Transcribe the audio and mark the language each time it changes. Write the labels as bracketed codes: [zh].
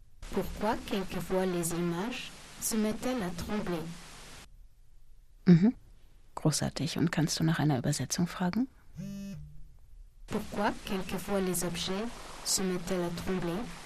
[fr] Pourquoi quelquefois les images se mettent-elles à trembler? [de] Großartig. Und kannst du nach einer Übersetzung fragen? [fr] Pourquoi quelquefois les objets se mettent-elles à trembler?